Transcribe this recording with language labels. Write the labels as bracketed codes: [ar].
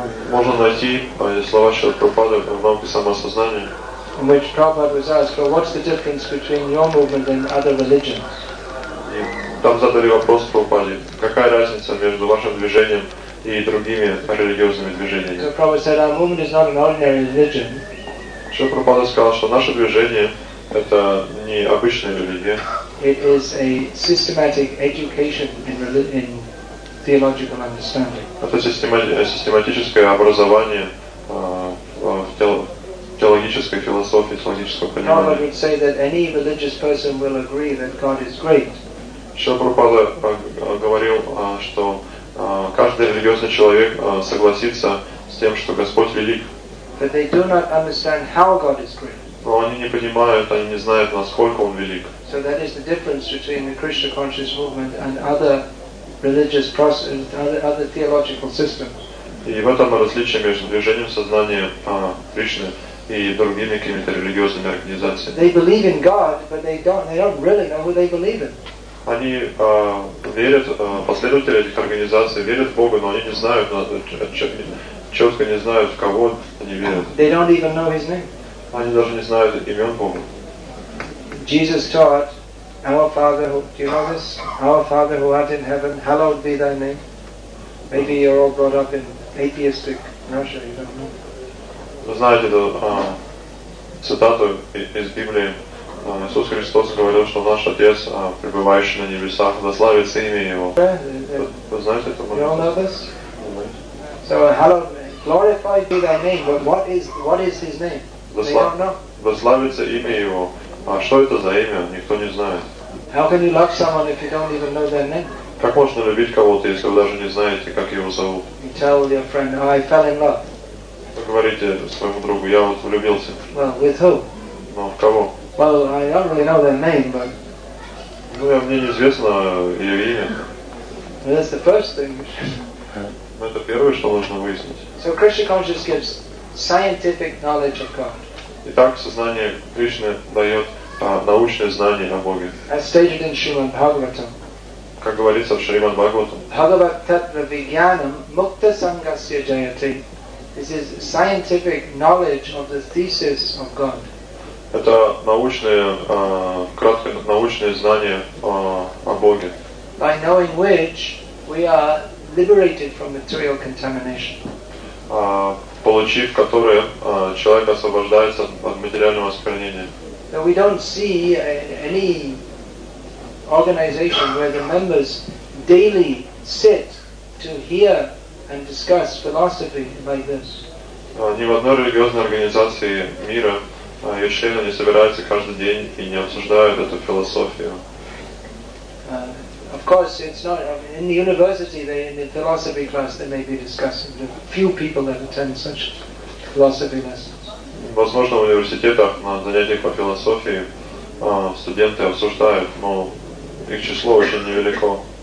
[ru] Можно найти слова Шрилы Прабхупады в науке самосознания. [en] In which Prabhupada was asked, well, what's the difference between your movement and other religions? [ru] И там задали вопрос Прабхупаде, какая разница между вашим движением и другими религиозными движениями? [en] So Prabhupada said, our movement is not an ordinary religion. [ru] Шрила Прабхупада сказал, что наше движение это не обычная религия. [en] It is a systematic education in religion. Theological understanding. [ru] Это систематическое образование в теологической философии, теологического понимания. [en] Prabhupada would say that any religious person will agree that God is great. [ru] Шрила Прабхупада говорил, что каждый религиозный человек согласится с тем, что Господь велик. [en] But they do not understand how God is great. [ru] Но они не понимают, они не знают, насколько Он велик. [en] So that is the difference between the Krishna conscious movement and other religious process and other theological systems. [ru] И в этом различие между движением сознания Кришны и другими какими-то религиозными организациями. [en] They believe in God, but they don't really know who they believe in. [ru] Они верят, последователи этих организаций верят в Бога, но они не знают, четко не знают, в кого они верят. [en] They don't even know his name. [ru] Они даже не знают имен Бога. [en] Jesus taught, Our Father, do you know this? Our Father who art in heaven, hallowed be thy name. Maybe you're all brought up in atheistic Russia, you don't know. [ru] Вы знаете эту цитату из Библии? Иисус Христос говорил, что наш Отец, пребывающий на небесах, да славится имя Его. Вы знаете это? [en] You all know this? So, hallowed, glorified be thy name, but what is his name? [ru] Да славится имя Его. А что это за имя? Никто не знает. [en] How can you love someone if you don't even know their name? [ru] Как можно любить кого-то, если вы даже не знаете, как его зовут? [en] You tell your friend, oh, I fell in love. [ru] Вы говорите своему другу, я вот влюбился. [en] Well, with who? [ru] Ну, в кого? [en] Well, I don't really know their name, but. [ru] Ну, я мне неизвестно ее имя. [en] Well, that's the first thing. [ru] Ну, это первое, что нужно выяснить. [en] So Krishna consciousness gives scientific knowledge of God. [ru] Итак, сознание Кришны дает научное знание о Боге. [en] As stated in Shrimad Bhagavatam. [ru] Как говорится в Шримад Бхагаватам. [sa] Bhagavat Tattva Vijnanam Mukta Sangasya Jayate. [en] This is scientific knowledge of the thesis of God. [ru] Это научное, краткое научное знание о Боге. [en] By knowing which we are liberated from material contamination. [ru] Получив которое человек освобождается от материального осквернения. [en] So we don't see any organization where the members daily sit to hear and discuss philosophy like this. [ru] Ни в одной религиозной организации мира ее члены не собираются каждый день и не обсуждают эту философию. [en] Of course, it's not in the university. They in the philosophy class they may be discussing. There are few people that attend such philosophy lessons. [ru] Возможно, в университетах на занятиях по философии студенты обсуждают, но их число очень невелико.